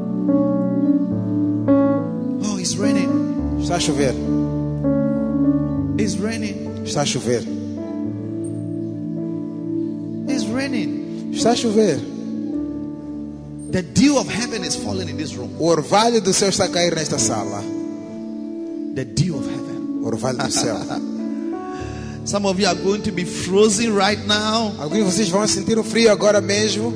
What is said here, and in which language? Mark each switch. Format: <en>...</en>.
<en>Oh, it's raining.</en> <pt>Está a chover.</pt> <en>It's raining.</en> <pt>Está a chover.</pt> <en>It's raining.</en> <pt>Está a chover.</pt> <en>The dew of heaven is falling in this room.</en> <pt>O orvalho do céu está a cair nesta sala.</pt> <en>The dew of heaven.</en> <pt>O orvalho do céu.</pt> <en>Some of you are going to be frozen right now.</en> <pt>Alguns de vocês vão sentir o frio agora mesmo.</pt>